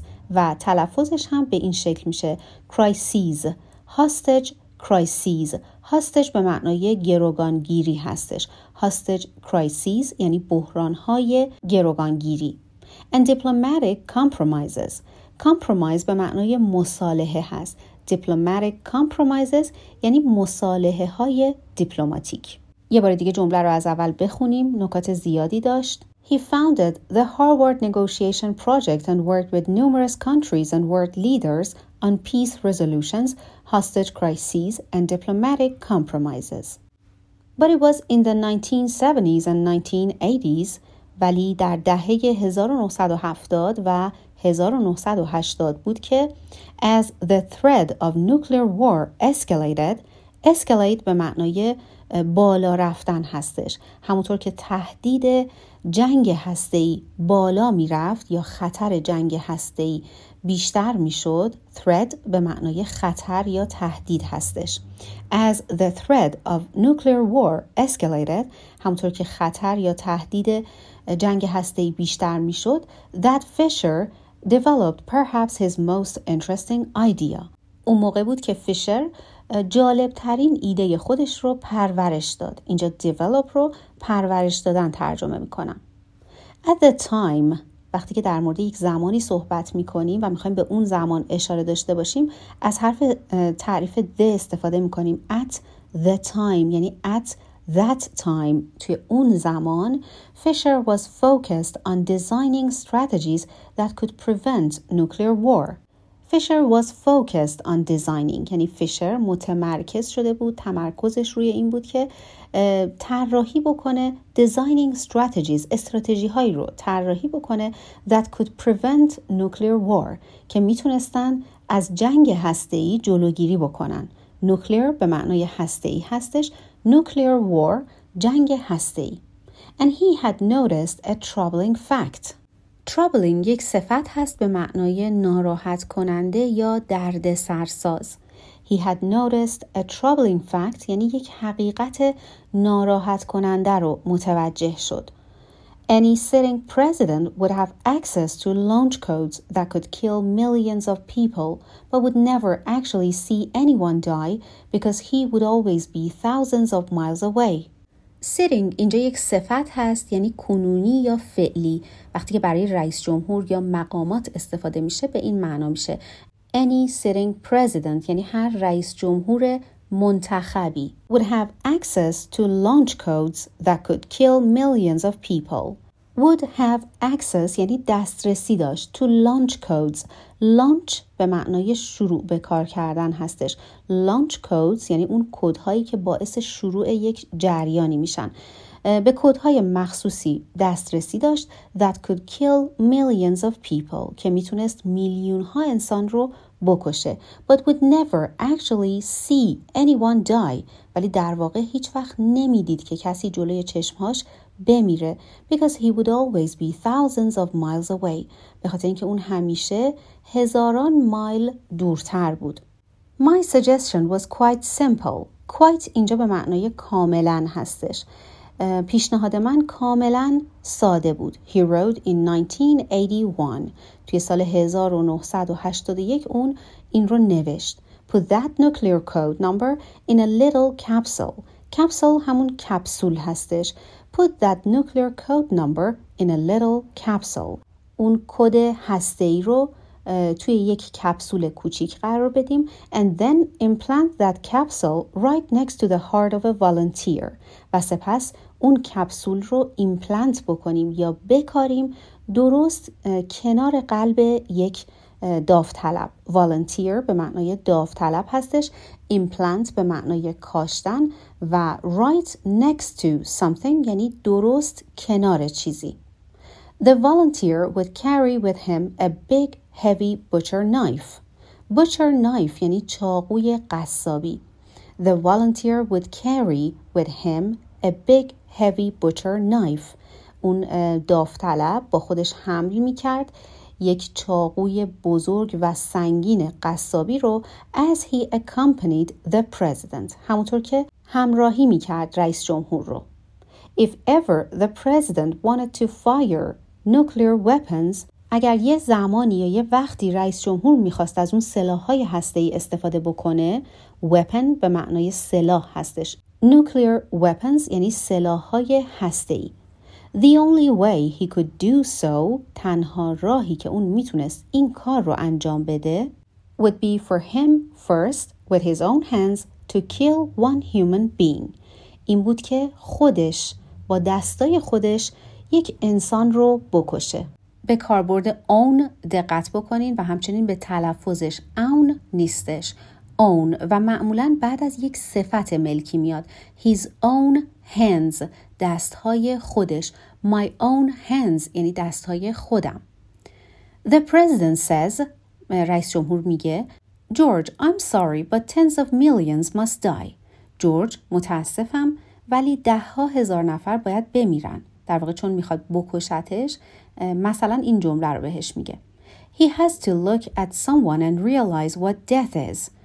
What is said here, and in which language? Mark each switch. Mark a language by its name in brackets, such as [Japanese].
[Persian] و تلفظش هم به این شکل میشه [English] crises hostage crises hostage [Persian] به معنای گروگانگیری هستش [English] hostage crises [Persian] یعنی بحرانهای گروگانگیری [English] and diplomatic compromises Compromise [Persian] به معنای مصالحه هست. [English] diplomatic compromises [Persian] یعنی مصالحه های دیپلماتیک. یه بار دیگه جمله رو از اول بخونیم، نکات زیادی داشت. [English] He founded the Harvard Negotiation Project and worked with numerous countries and world leaders on peace resolutions, hostage crises, and diplomatic compromises. But it was in the 1970s and 1980s, [Persian] ولی در دهه 1970 و 1980 بود که [English] as the threat of nuclear war escalated, escalate [Persian] به معنای بالا رفتن هستش. همونطور که تهدید جنگ هسته‌ای بالا می رفت یا خطر جنگ هسته‌ای بیشتر می شد، threat به معنای خطر یا تهدید هستش. [English] As the threat of nuclear war escalated، [Persian] همونطور که خطر یا تهدید جنگ هسته‌ای بیشتر می شد، [English] that Fisher developed perhaps his most interesting idea. [Persian] اون موقع بود که فیشر جالب ترین ایده خودش رو پرورش داد. اینجا develop رو پرورش دادن ترجمه می کنم. [English] At the time، [Persian] وقتی که در مورد یک زمانی صحبت می کنیم و می خواهیم به اون زمان اشاره داشته باشیم، از حرف تعریف the استفاده می کنیم. [English] At the time، یعنی at that time، [Persian] توی اون زمان، [English] Fisher was focused on designing strategies that could prevent nuclear war. Fisher was focused on designing، [Persian] یعنی فیشر متمرکز شده بود، تمرکزش روی این بود که طراحی بکنه، [English] designing strategies، [Persian] استراتژی هایی رو طراحی بکنه [English] that could prevent nuclear war، [Persian] که میتونستن از جنگ هسته‌ای جلوگیری بکنن. nuclear به معنای هسته‌ای هستش، [English] nuclear war [Persian] جنگ هسته‌ای. [English] And he had noticed a troubling fact. [Persian] Troubling یک صفت هست به معنای ناراحت کننده یا درد سرساز. [English] He had noticed a troubling fact [Persian] یعنی یک حقیقت ناراحت کننده رو متوجه شد. [English] Any sitting president would have access to launch codes that could kill millions of people but would never actually see anyone die because he would always be thousands of miles away. [Persian] Sitting اینجا یک صفت هست، یعنی کنونی یا فعلی. وقتی که برای رئیس جمهور یا مقامات استفاده میشه به این معنا میشه. [English] Any sitting president [Persian] یعنی هر رئیس جمهور منتخبی [English] would have access to launch codes that could kill millions of people. Would have access [Persian] یعنی دسترسی داشت [English] to launch codes. [Persian] Launch به معنای شروع به کار کردن هستش. [English] Launch codes [Persian] یعنی اون کدهایی که باعث شروع یک جریانی میشن. به کدهای مخصوصی دسترسی داشت [English] that could kill millions of people [Persian] که میتونست میلیون ها انسان رو بکشه. [English] But would never actually see anyone die. [Persian] ولی در واقع هیچ وقت نمیدید که کسی جلوی چشمهاش بمیره. [English] Because he would always be thousands of miles away. [Persian] به خاطر اینکه اون همیشه هزاران مایل دورتر بود. [English] My suggestion was quite simple. [Persian] Quite اینجا به معنای کاملا هستش. پیشنهاد من کاملا ساده بود. [English] He wrote in 1981. [Persian] توی سال 1981 اون این رو نوشت. [English] Put that nuclear code number in a little capsule. [Persian] Capsule همون کپسول هستش. [English] Put that nuclear code number in a little capsule. [Persian] اون کد هسته‌ای رو توی یک کپسول کوچیک قرار بدیم. [English] And then implant that capsule right next to the heart of a volunteer. [Persian] و سپس اون کپسول رو ایمپلنت بکنیم یا بکاریم درست کنار قلب یک داوطلب. Volunteer به معنای داوطلب هستش. Implant به معنای کاشتن و [English] right next to something [Persian] یعنی درست کنار چیزی. [English] The volunteer would carry with him a big heavy butcher knife. [Persian] Butcher knife یعنی چاقوی قصابی. [English] The volunteer would carry with him a big heavy butcher knife. [Persian] اون داوطلب با خودش حمل می‌کرد یک چاقوی بزرگ و سنگین قصابی رو. [English] As he accompanied the president. [Persian] همونطور که همراهی می‌کرد رئیس جمهور رو. [English] If ever the president wanted to fire nuclear weapons. [Persian] اگر یه زمانی یا یه وقتی رئیس جمهور می‌خواست از اون سلاح‌های هسته‌ای استفاده بکنه، weapon به معنای سلاح هستش. [English] Nuclear weapons [Persian] یعنی سلاح‌های هسته‌ای. [English] The only way he could do so، [Persian] تنها راهی که اون میتونست این کار رو انجام بده، [English] would be for him first with his own hands to kill one human being. [Persian] این بود که خودش با دستای خودش یک انسان رو بکشه. به کاربرد own دقت بکنین و همچنین به تلفظش own نیستش. Own و معمولاً بعد از یک صفت ملکی میاد. [English] His own hands، [Persian] دستهای خودش. [English] My own hands [Persian] یعنی دستهای خودم. [English] The president says، [Persian] رئیس جمهور میگه، [English] George، I'm sorry but tens of millions must die. [Persian] جورج، متاسفم ولی ده ها هزار نفر باید بمیرن. در واقع چون میخواد بکشتش، مثلا این جمله رو بهش میگه. [English] He has to look at someone and realize what death is.